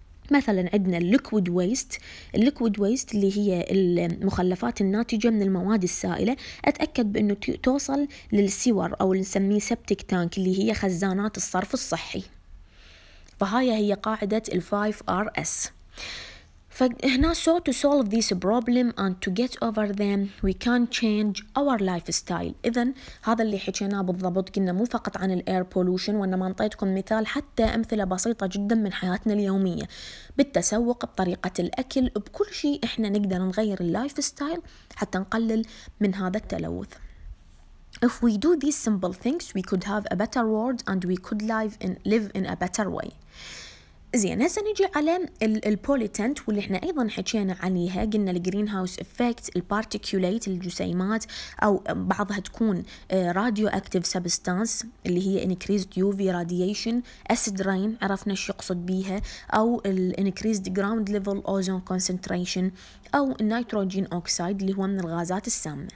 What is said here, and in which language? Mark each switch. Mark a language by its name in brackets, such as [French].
[Arabic] مثلا عندنا الليكويد ويست، الليكويد ويست اللي هي المخلفات الناتجة من المواد السائلة، أتأكد بأنه توصل للسور أو اللي نسميه سبتيك تانك اللي هي خزانات الصرف الصحي. فهاي هي قاعدة الفايف آر أس. فهنا [English] so to solve this problem and to get over them we can change our lifestyle. [Arabic] إذن هذا اللي حكيناه بالضبط، قلنا مو فقط عن الاير بولوشن، وإنما أعطيتكم مثال حتى أمثلة بسيطة جدا من حياتنا اليومية، بالتسوق، بطريقة الأكل، بكل شيء إحنا نقدر نغير lifestyle حتى نقلل من هذا التلوث. [English] If we do these simple things we could have a better world and we could live in a better way. [Arabic] زين، هسه نجي على البوليتنت واللي احنا ايضا حكينا عليها، قلنا الجرين هاوس افكت، البارتيكولات الجسيمات، او بعضها تكون راديو اكتيف سبستانس اللي هي انكريزد يو في راديشن، اسيد رين عرفنا ايش يقصد بيها، او الانكريزد جراوند ليفل اوزون كونسنتريشن، او النيتروجين اوكسايد اللي هو من الغازات السامة.